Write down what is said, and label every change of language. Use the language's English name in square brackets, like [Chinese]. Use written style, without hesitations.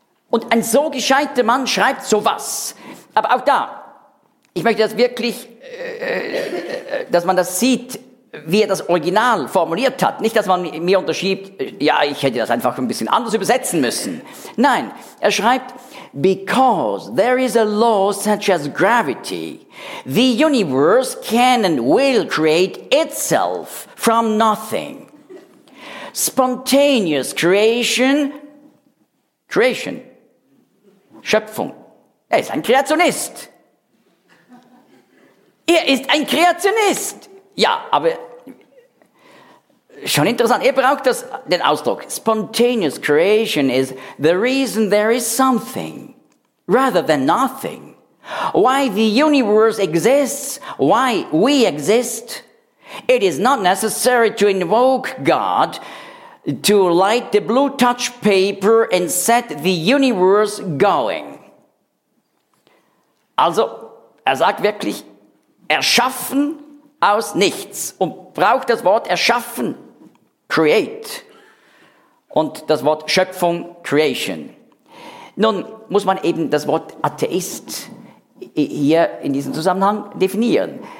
[German] Und ein so gescheiter Mann schreibt sowas. Aber auch da, ich möchte das wirklich, dass man das sieht, wie er das Original formuliert hat. Nicht, dass man mir unterschiebt, ja, ich hätte das einfach ein bisschen anders übersetzen müssen. Nein, er schreibt, [English] because there is a law such as gravity, the universe can and will create itself from nothing. Spontaneous creation, Schöpfung. [German] Er ist ein Kreationist. Er ist ein Kreationist. Ja, aber schon interessant. Er braucht das, den Ausdruck. [English] Spontaneous creation is the reason there is something rather than nothing. Why the universe exists, why we exist. It is not necessary to invoke God to light the blue touch paper and set the universe going. [German] Also, er sagt wirklich, erschaffen aus nichts und braucht das Wort erschaffen, create, und das Wort Schöpfung, creation. Nun muss man eben das Wort Atheist hier in diesem Zusammenhang definieren.